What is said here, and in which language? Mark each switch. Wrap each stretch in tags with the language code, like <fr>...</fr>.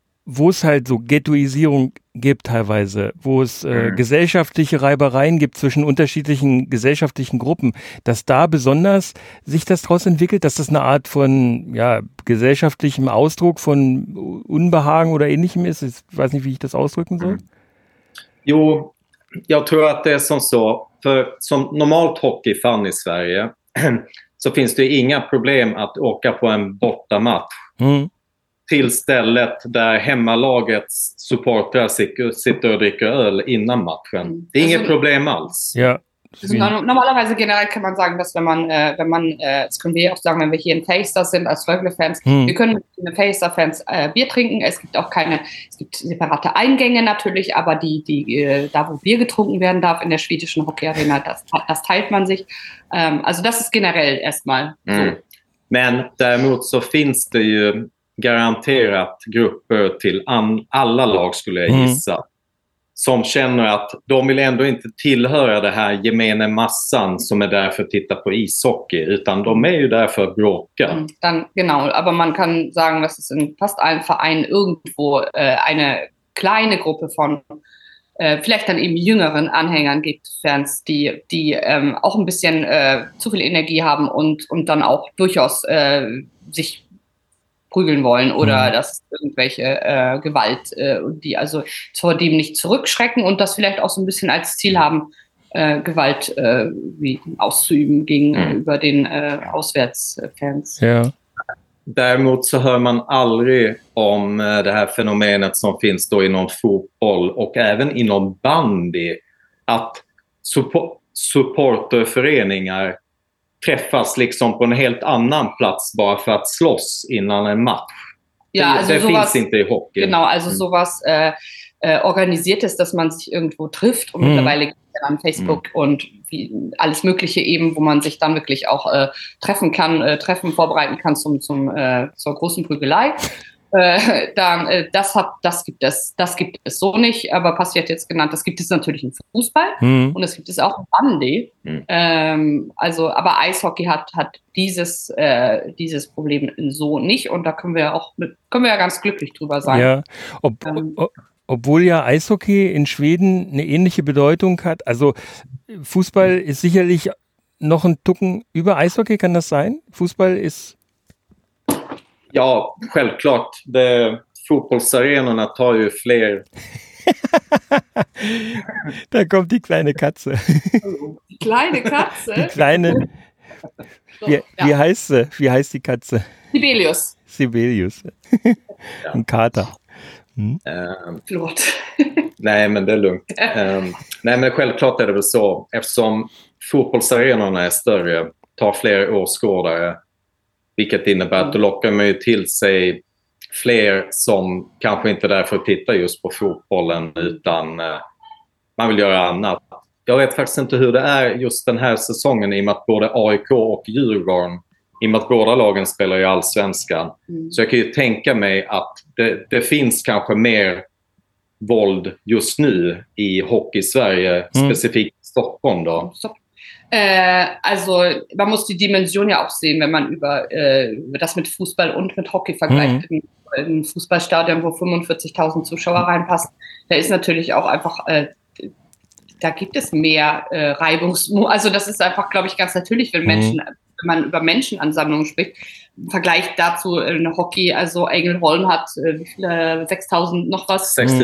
<de>wo es halt so Ghettoisierung gibt teilweise, wo es gesellschaftliche Reibereien gibt zwischen unterschiedlichen gesellschaftlichen Gruppen, dass da besonders sich das daraus entwickelt, dass das eine Art von ja, gesellschaftlichem Ausdruck von Unbehagen oder ähnlichem ist. Ich weiß nicht, wie ich das ausdrücken soll.</de> <sv>Jo, jag tror att det är som så. För som normalt hockeyfan i Sverige så finns det inga problem att åka på en bortamatch. Mm. till stället där hemmalagets supportrar sitter och dricker öl innan matchen. Det är alltså, inget problem alls. Ja.</sv> <de>Normalerweise generell kann man sagen, dass wenn man, das können wir auch sagen, wenn wir hier in Facer sind als Rögle-Fans, wir können mit Facer-Fans Bier trinken. Es gibt auch keine, es gibt separate Eingänge natürlich, aber die, da wo Bier getrunken werden darf in der schwedischen Hockey-Arena, das teilt man sich. Also das ist generell erstmal so.</de> <sv>Men däremot så finns det ju garanterat grupper till alla lag skulle jag gissa. Som känner att de vill ändå inte tillhöra det här gemene massan som är där för att titta på ishockey, utan de är ju där för att bråka.</sv> <de>Genau, aber man kann sagen, dass es in fast allen Vereinen irgendwo eine kleine Gruppe von vielleicht dann eben jüngeren Anhängern gibt, Fans, die auch ein bisschen zu viel Energie haben und dann auch durchaus sich prügeln wollen oder dass irgendwelche Gewalt, die also vor dem nicht zurückschrecken und das vielleicht auch so ein bisschen als Ziel haben, Gewalt wie auszuüben gegenüber den Auswärtsfans. Ja.</de> <sv>Däremot så hör man aldrig om det här fenomenet som finns då inom fotboll och även inom bandy, att supporterföreningar träffas liksom på en helt annan plats bara för att slåss innan en match.</sv> <de>Ja, also</de> <sv>det</sv> <de>sowas,</de> <sv>finns inte i hockey.</sv> <de>Genau, also sowas organisiertes, dass man sich irgendwo trifft und mittlerweile geht es ja an Facebook und wie alles Mögliche eben, wo man sich dann wirklich auch treffen kann, Treffen vorbereiten kann zur großen Prügelei. Das gibt es so nicht, aber Passi hat jetzt genannt, das gibt es natürlich im Fußball und es gibt es auch im Bandy. Aber Eishockey hat dieses Problem so nicht und da können wir ja ganz glücklich drüber sein. Ja, obwohl ja Eishockey in Schweden eine ähnliche Bedeutung hat, also Fußball ist sicherlich noch ein Tucken über Eishockey, kann das sein? Fußball ist...</de> <sv>Ja, självklart. Fotbollsarenorna tar ju fler.</sv> <de>Da kommt die kleine Katze. Die kleine Katze? Die kleine. Wie heißt sie? Wie heißt die Katze? Sibelius. Sibelius. Ein Kater.</de> <sv>Förlåt. Nej, men det är lugnt. Nej, men självklart är det väl så. Eftersom fotbollsarenorna är större, tar fler åskådare. Vilket innebär att du lockar mig till sig fler som kanske inte är där för att titta just på fotbollen utan man vill göra annat. Jag vet faktiskt inte hur det är just den här säsongen i och med att både AIK och Djurgården, i och med att båda lagen spelar i Allsvenskan. Så jag kan ju tänka mig att det finns kanske mer våld just nu i hockey Sverige, specifikt i Stockholm då.</sv> <de>Also man muss die Dimension ja auch sehen, wenn man über das mit Fußball und mit Hockey vergleicht. Mhm. Ein Fußballstadion, wo 45.000 Zuschauer reinpassen, da ist natürlich auch einfach, da gibt es mehr also das ist einfach, glaube ich, ganz natürlich, wenn Menschen, wenn man über Menschenansammlungen spricht, im Vergleich dazu in Hockey, also Ängelholm hat 6.000 noch was?</de>